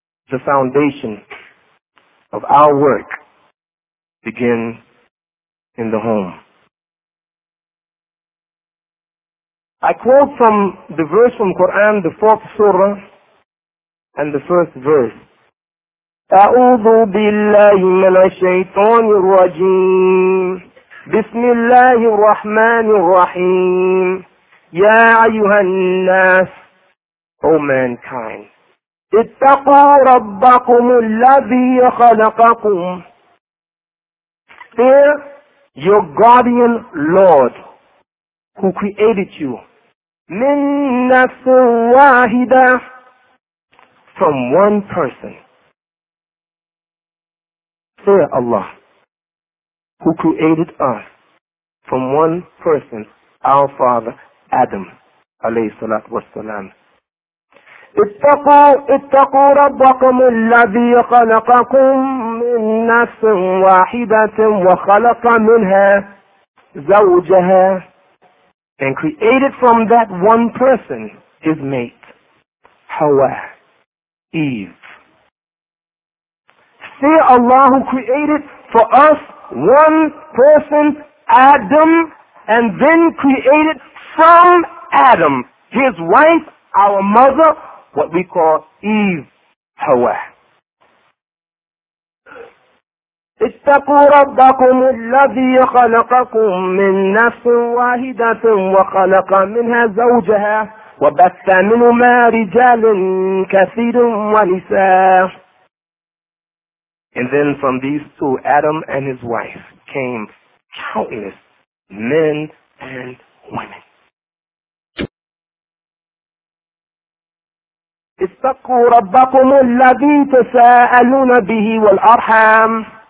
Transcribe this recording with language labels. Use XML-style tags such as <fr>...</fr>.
<en>The foundation of our work begins in the home. I quote from the verse from Quran, the fourth surah, and the first verse.</en> <ar>أَعُوذُ بِاللَّهِ مِنَ الشَّيْطَانِ الرَّجِيمِ بِسْمِ اللَّهِ الرَّحْمَنِ الرَّحِيمِ يَا أَيُّهَا النَّاسُ</ar> <en>O mankind,</en> <ar>اتَّقُوا رَبَّكُمُ الَّذِي خَلَقَكُمْ</ar> <en>Fear your guardian Lord who created you.</en> <ar>مِن نَفْسٍ وَاحِدَةٍ</ar> <en>From one person. Fear Allah, who created us from one person, our father, Adam,</en> <ar>alayhi salat wa salam. اتقوا ربكم الذي خلقكم من نفس واحدة وخلق منها زوجها</ar> <en>and created from that one person his mate, Hawa, Eve. Fear Allah who created for us one person, Adam, and then created from Adam, his wife, our mother, what we call Eve, Hawa.</en> <ar>اتقوا ربكم الذي خلقكم من نفس واحدة وخلق منها زوجها وبث منهما رجال كثير ونساء</ar> <en>And then from these two, Adam and his wife, came countless men and women.</en> <ar>اتقوا ربكم الذي تساءلون به والأرحام</ar>